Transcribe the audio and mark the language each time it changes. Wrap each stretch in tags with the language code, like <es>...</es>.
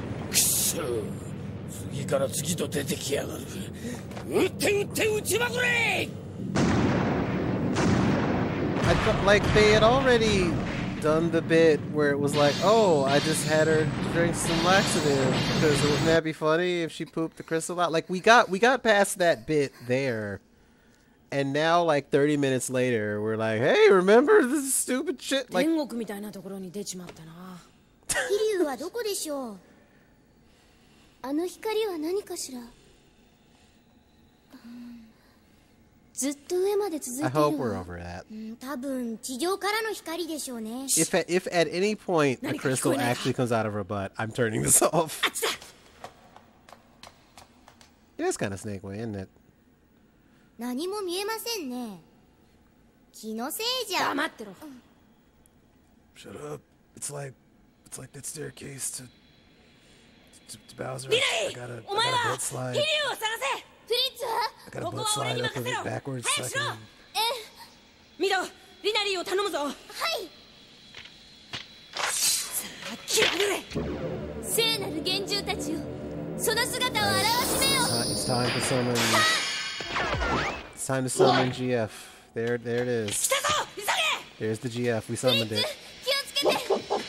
<ja>くそ次から次と出てきやがる。撃って撃って撃ちまくれ。</ja> <en>I felt like they had already done the bit where it was like, oh, I just had her drink some laxative because wouldn't that be funny if she pooped the crystal out? Like, we got past that bit there. And now, like, 30 minutes later, we're like, hey, remember this stupid shit? Like,</en> <ja>天国みたいなところに出ちまったな。飛竜はどこでしょう？あの光は何かしら？ずっと上まで続いてるわ。ん、多分地上からの光でしょうね。</ja> <en>If at any point a crystal actually comes out of her butt, I'm turning this off.</en> <ja>あっちだ。</ja> <en>It is kind of snake way, isn't it?</en> <ja>何も見えませんね。気のせいじゃ。黙ってろ。</ja> <en>Shut up. It's like that staircase to Bowser. ミライ、</en> <ja>お前は飛竜を探せ。プリッツ、ここは俺に任せろ。早くしろ。え、ミド、リナリーを頼むぞ。はい。さあ、切られ。聖なる幻獣たちよ、その姿を現しめよ。</ja> <en>It's time to summon It's time to summon GF. There it is.</en> <ja>来たぞ、急げ。</ja> <en>There's the GF, we summoned it.</en> <ja>気をつけて。</ja>